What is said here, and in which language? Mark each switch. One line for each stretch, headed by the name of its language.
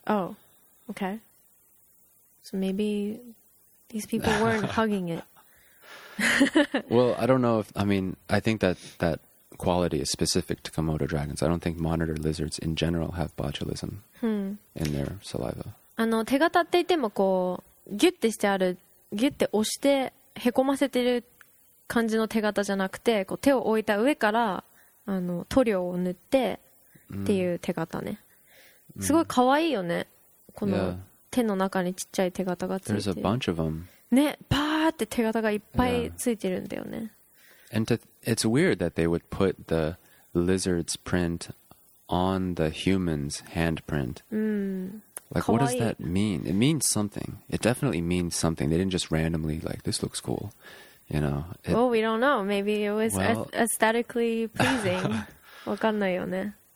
English: Oh, okay. So maybe these people weren't hugging it. Well, I don't know if, I mean, I think that quality is specific to Komodo dragons. I don't think monitor lizards in general have botulism in their saliva.
Japanese: あの手形って言ってもこうギュッてしてあるギュッて押してへこませてる感じの手形じゃなくてこう手を置いた上からあの塗料を塗ってっていう手形ね、すごい可愛いよねこの手の中にちっちゃい手形がついてる
English: There's a bunch of them.
Japanese: ねパーって手形がいっぱいついてるんだよね、
English: And it's weird that they would put the lizard's print on the human's handprint Like, what does that mean? It means something. It definitely means something. They didn't just randomly, like, this looks cool, you know? Well, we don't know. Maybe it was aesthetically pleasing.
Japanese: わかんないよね。